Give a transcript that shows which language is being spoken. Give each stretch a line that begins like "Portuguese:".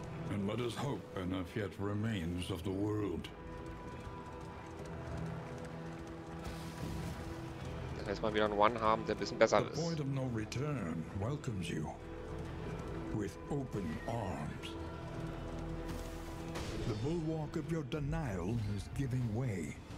English: And let us hope enough yet remains of the world.
German: Lass mal wieder einen One haben, der ein bisschen besser ist.
English: The Void of No Return welcomes you with open arms. The bulwark of your denial is giving way.